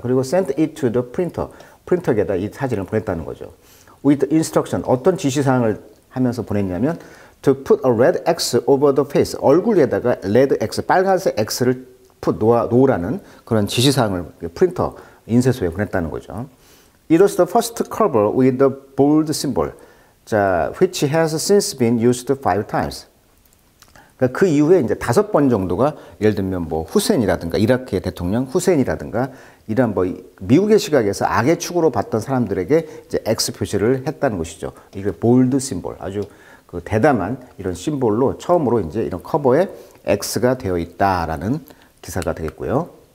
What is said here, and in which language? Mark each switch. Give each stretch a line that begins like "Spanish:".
Korean: 그리고
English: sent it to the printer,
Korean: 프린터에다 이 사진을 보냈다는 거죠.
English: With instruction,
Korean: 어떤 지시사항을 하면서 보냈냐면
English: to put a red X over the face,
Korean: 얼굴에다가 red X, 빨간색 X를 놓으라는 그런 지시사항을 프린터 인쇄소에 보냈다는 거죠.
English: It was the first cover with the bold symbol, which has since been used 5 times.
Korean: 그러니까 그 이후에 이제 다섯 번 정도가, 예를 들면 뭐 후세인이라든가 이라크의 대통령 후세인이라든가 이런 뭐 미국의 시각에서 악의 축으로 봤던 사람들에게 이제 X 표시를 했다는 것이죠. 이게 볼드 심볼, 아주 그 대담한 이런 심볼로 처음으로 이제 이런 커버에 X가 되어 있다라는 기사가 되겠고요.